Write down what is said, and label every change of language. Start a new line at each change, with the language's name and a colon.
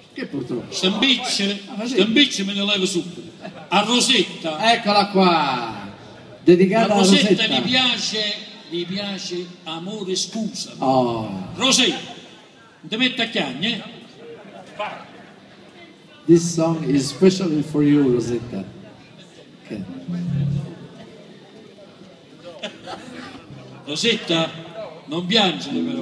Italian: Che purtroppo? Stambicce, stambicce me ne levo subito, a Rosetta. Eccola qua. Dedicata a Rosetta. Rosetta mi piace amore scusa. Oh. Rosetta, non ti metti a chiagne?
English: This song is specially for you, Rosetta. Okay.
Italian: Rosetta, non piangere però.